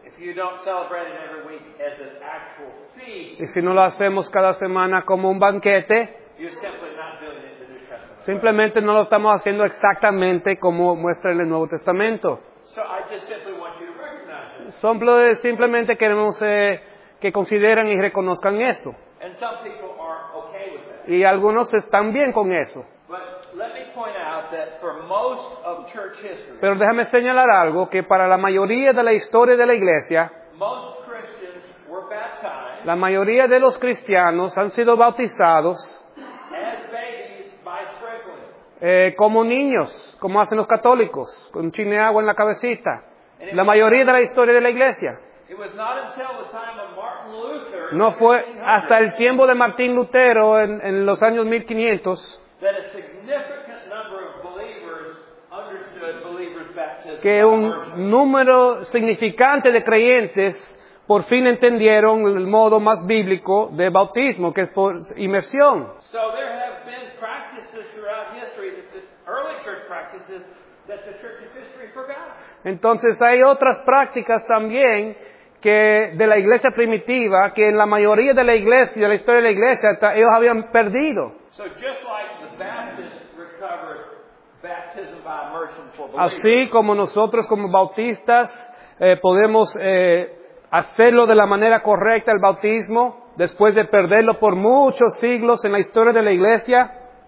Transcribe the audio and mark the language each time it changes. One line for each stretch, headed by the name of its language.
English: If you don't celebrate it every week as an actual feast,
Spanish: y si no lo hacemos cada semana como un banquete,
English: you're simply not doing it in the New Testament.
Spanish: Simplemente no lo estamos haciendo exactamente como muestra en el Nuevo Testamento.
English: So I just simply want you to recognize it.
Spanish: Simplemente queremos que consideren y reconozcan eso.
English: And some people are okay with that.
Spanish: Y algunos están bien con eso.
English: But let me point out that for most of church history,
Spanish: pero déjame señalar algo, que para la mayoría de la historia de la iglesia,
English: most Christians were baptized,
Spanish: la mayoría de los cristianos han sido bautizados
English: as babies by sprinkling.
Spanish: Como niños, como hacen los católicos, con un chin de agua en la cabecita. La mayoría de la historia de la iglesia.
English: It was not until the time of Martin Luther,
Spanish: no fue hasta el tiempo de Martín Lutero en los años 1500
English: that a significant number of believers understood believers' baptism,
Spanish: que un número significante de creyentes por fin entendieron el modo más bíblico de bautismo, que es por inmersión.
English: So there have been practices throughout history, early church practices, that the church of history forgot.
Spanish: Entonces hay otras prácticas también que de la iglesia primitiva que en la mayoría de la iglesia, de la historia de la iglesia, ellos habían perdido.
English: So just like the Baptist recovered baptism by immersion for believers,
Spanish: así como nosotros como bautistas podemos hacerlo de la manera correcta el bautismo después de perderlo por muchos siglos en la historia de la iglesia.